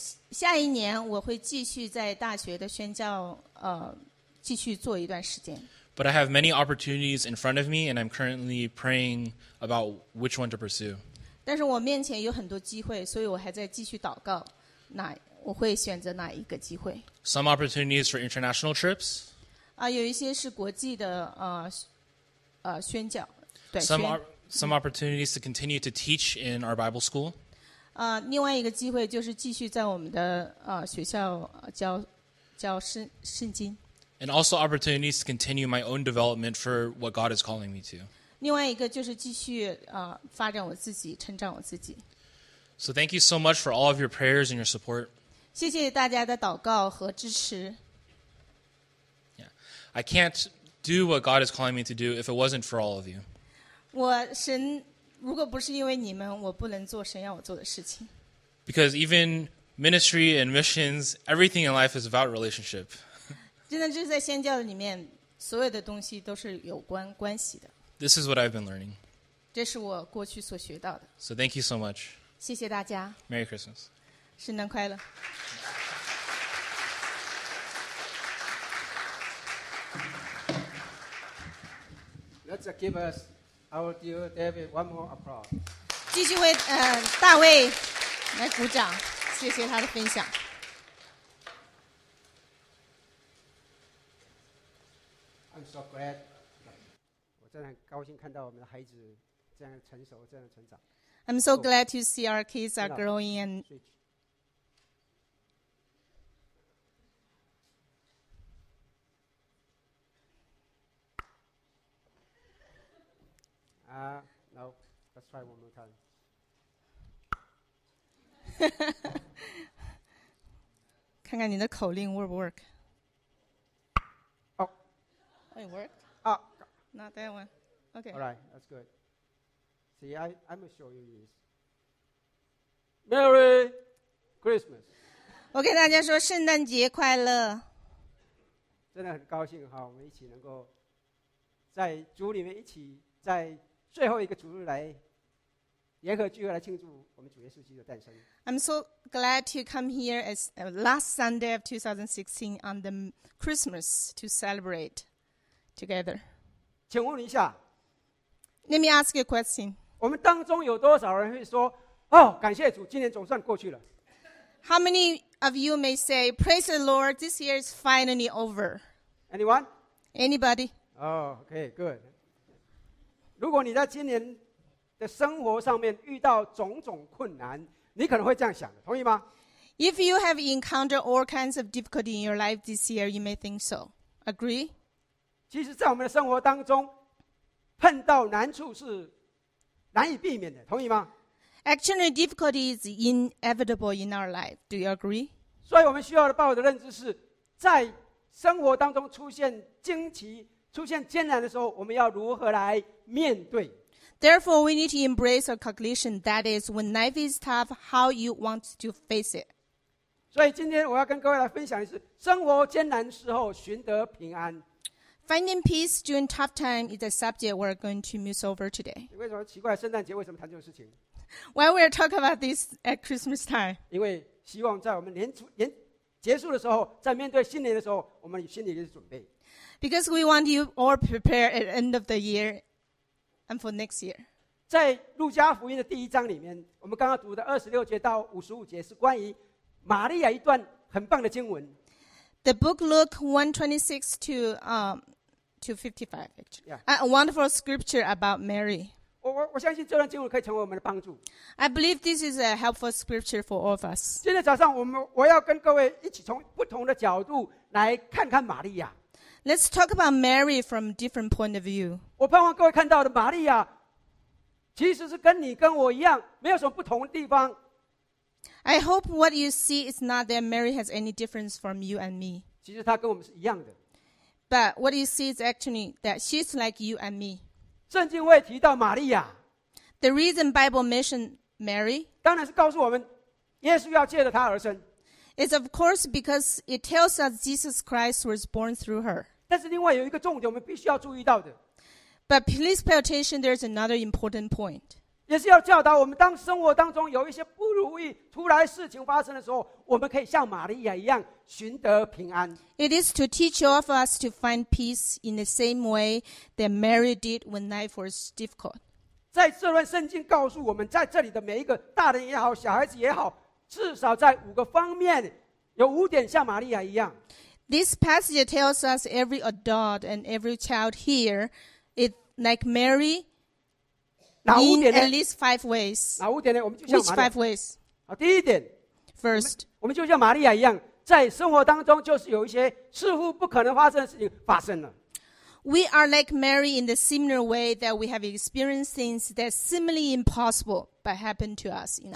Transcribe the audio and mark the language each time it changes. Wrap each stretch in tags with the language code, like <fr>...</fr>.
<zh>下一年我会继续在大学的宣教继续做一段时间。</zh> <en>But I have many opportunities in front of me, and I'm currently praying about which one to pursue.</en> <zh>但是我面前有很多机会，所以我还在继续祷告，哪我会选择哪一个机会。</zh> <en>Some opportunities for international trips.</en> <zh>啊，有一些是国际的宣教，对。</zh> <en>Some opportunities to continue to teach in our Bible school.</en> <zh>啊，另外一个机会就是继续在我们的学校教圣经。</zh> <en>And also opportunities to continue my own development for what God is calling me to.</en> <zh>另外一个就是继续发展我自己，成长我自己。</zh> <en>So thank you so much for all of your prayers and your support.</en> <zh>谢谢大家的祷告和支持。</zh> <en>Yeah. I can't do what God is calling me to do if it wasn't for all of you.</en> <zh>我神，如果不是因为你们，我不能做神要我做的事情。</zh> <en>Because even ministry and missions, everything in life is about relationship.</en> <zh>真的就是在宣教里面，所有的东西都是有关系的。</zh> <en>This is what I've been learning.</en> <zh>这是我过去所学到的。</zh> <en>So thank you so much.</en> <zh>谢谢大家。</zh> <en>Merry Christmas.</en> <zh>圣诞快乐。</zh> <en>Let's give us our dear David one more applause.</en> <zh>继续为大卫来鼓掌，谢谢他的分享。</zh> <en>I'm so glad.</en> <zh>真的很高兴看到我们的孩子这样成熟，这样成长。</zh> <en>I'm so glad to see our kids are growing and. 啊 ，No, let's try one more time.</en> <zh>看看你的口令</zh> <en>work work. Oh. It worked. Oh. Not that one. Okay. All right, that's good. See, I'm going to show you this. Merry Christmas.</en> <zh>我跟大家说圣诞节快乐。真的很高兴哈，我们一起能够在主里面一起在最后一个主日来联合聚会来庆祝我们主耶稣基督的诞生。</zh> <en>I'm so glad to come here as last Sunday of 2016 on the Christmas to celebrate together.</en> <zh>请问一下。</zh> <en>Let me ask you a question.</en> <zh>我们当中有多少人会说，哦，感谢主，今年总算过去了。</zh> <en>How many of you may say, praise the Lord, this year is finally over? Anyone? Anybody? Oh, okay, good.</en> <zh>如果你在今年的生活上面遇到种种困难，你可能会这样想，同意吗？</zh> <en>If you have encountered all kinds of difficulty in your life this year, you may think so. Agree?</en> <zh>其实在我们的生活当中碰到难处是难以避免的，同意吗？</zh> <en>Actually, difficulty is inevitable in our life. Do you agree?</en> <zh>所以我们需要的抱有的认知是，在生活当中出现惊奇、出现艰难的时候，我们要如何来面对？</zh> <en>Therefore, we need to embrace a cognition that is, when life is tough, how you want to face it.</en> <zh>所以今天我要跟各位来分享的是，生活艰难时候寻得平安。</zh> <en>Finding peace during tough time is a subject we're going to muse over today.</en> <zh>为什么奇怪？圣诞节为什么谈这种事情</zh> <en>？Why we're talking about this at Christmas time?</en> <zh>因为希望在我们年结束的时候，在面对新年的时候，我们心里有准备。</zh> <en>Because we want you all prepared at end of the year and for next year.</en> <zh>在路加福音的第一章里面，我们刚刚读的26-55是关于玛利亚一段很棒的经文。</zh> <en>The book Luke 1:26 to 55, yeah. A wonderful scripture about Mary.</en> <zh>我相信这段经文可以成为我们的帮助。</zh> <en>I believe this is a helpful scripture for all of us.</en> <zh>今天早上我要跟各位一起从不同的角度来看看玛利亚。</zh> <en>Let's talk about Mary from different point of view.</en> <zh>我盼望各位看到的玛利亚，其实是跟你跟我一样，没有什么不同的地方。</zh> <en>I hope what you see is not that Mary has any difference from you and me.</en> <zh>其实她跟我们是一样的。</zh> <en>But what you see is actually that she's like you and me.</en> <zh>圣经会提到玛利亚。</zh> <en>The reason Bible mentioned Mary.</en> <zh>当然是告诉我们耶稣要借着她而生。</zh> <en>It's of course because it tells us Jesus Christ was born through her.</en> <zh>但是另外有一个重点我们必须要注意到的。</zh> <en>But please pay attention, there's another important point.</en> <zh>也是要教导我们，当生活当中有一些不如意、突然事情发生的时候，我们可以像玛利亚一样寻得平安。</zh> <en>It is to teach all of us to find peace in the same way that Mary did when life was difficult.</en> <zh>在这段圣经告诉我们，在这里的每一个大人也好、小孩子也好，至少在五个方面，有五点像玛利亚一样。</zh> <en>This passage tells us every adult and every child here is like Mary.</en> <zh>哪五点呢?</zh> <en>In at least five ways.</en> <zh>哪五点呢? 我们就像玛利亚。</zh> <en>Which five ways?</en> <zh>好，第一点。</zh> <en>First.</en> <zh>我们就像玛利亚一样，在生活当中就是有一些似乎不可能发生的事情发生了。</zh> <en>We are like Mary in the similar way that we have experienced things that seemingly impossible but happen to us in our life.</en>